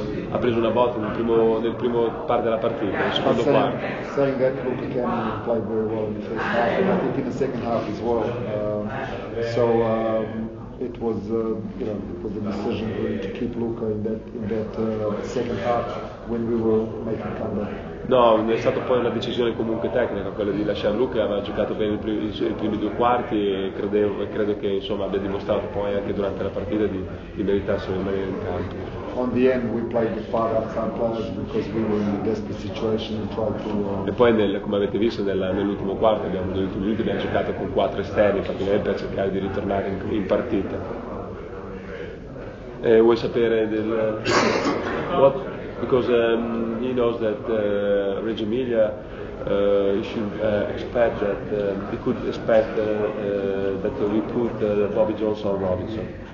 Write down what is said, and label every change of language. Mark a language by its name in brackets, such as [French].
[Italian] Ha preso una botta nel primo part della partita, nel secondo quarto. [English] Saying that Luke Cannon played very well in the first half, and I think in the second half as well. It was, the decision to keep Luca in that second half when we were making comeback. [Italian] No, è stata poi una decisione comunque tecnica, quella di lasciare Luca, aveva giocato bene i primi due quarti e credo che insomma abbia dimostrato poi anche durante la partita di meritarsi di rimanere in campo. [English] On the end we played the five outside players because we were in a desperate situation and tried to [Italian] E poi come avete visto nell'ultimo quarto abbiamo giocato con quattro esterni praticamente per cercare di ritornare in partita. Vuoi sapere del [English] what? Because he knows that Reggio Emilia he could expect that we put Bobby Jones or Robinson.